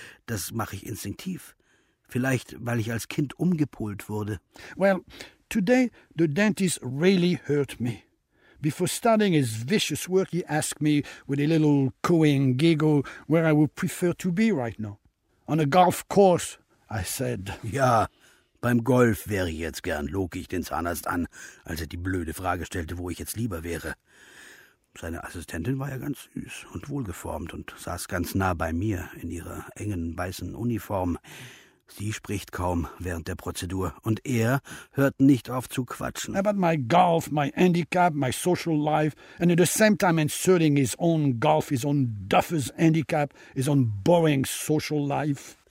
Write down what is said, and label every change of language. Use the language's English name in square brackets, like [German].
[German] Das mache ich instinktiv. Vielleicht, weil ich als Kind umgepolt wurde. [English] Well, today the dentist really hurt me. Before starting his vicious work, he asked me with a little cooing giggle where I would prefer to be right now. On a golf course, I said. [German] Ja, beim Golf wäre ich jetzt gern, log ich den Zahnarzt an, als er die blöde Frage stellte, wo ich jetzt lieber wäre. Seine Assistentin war ja ganz süß und wohlgeformt und saß ganz nah bei mir in ihrer engen weißen Uniform. Sie spricht kaum während der Prozedur und er hört nicht auf zu quatschen. [English] About my golf, my handicap, my social life, and at the same time inserting his own golf, his own duffer's handicap, his own boring social life.